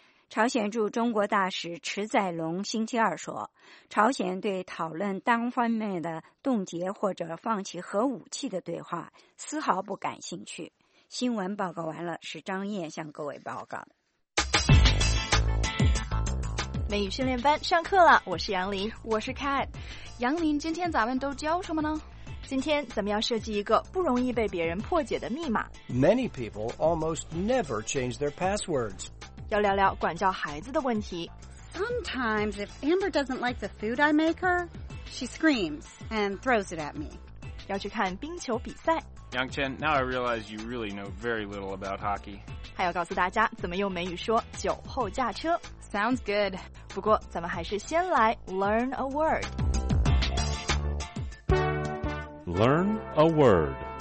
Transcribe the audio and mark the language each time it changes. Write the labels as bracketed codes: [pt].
[zh] 朝鲜驻中国大使池在龙星期二说，朝鲜对讨论单方面的冻结或者放弃核武器的对话丝毫不感兴趣，新闻报告完了，是张燕向各位报告的。美语训练班上课了，我是杨林，我是 Cat。杨林，今天咱们都教什么呢？今天咱们要设计一个不容易被别人破解的密码。 [en] Many people almost never change their passwords. [zh] 要聊聊管教孩子的问题。 [en] Sometimes if Amber doesn't like the food I make her, she screams and throws it at me. [zh] 要去看冰球比赛。 [en] Yang Chen, now I realize you really know very little about hockey. [zh] 还要告诉大家怎么用美语说酒后驾车。 [en] Sounds good. [zh] 不过咱们还是先来 [en] learn a word。 Learn a word.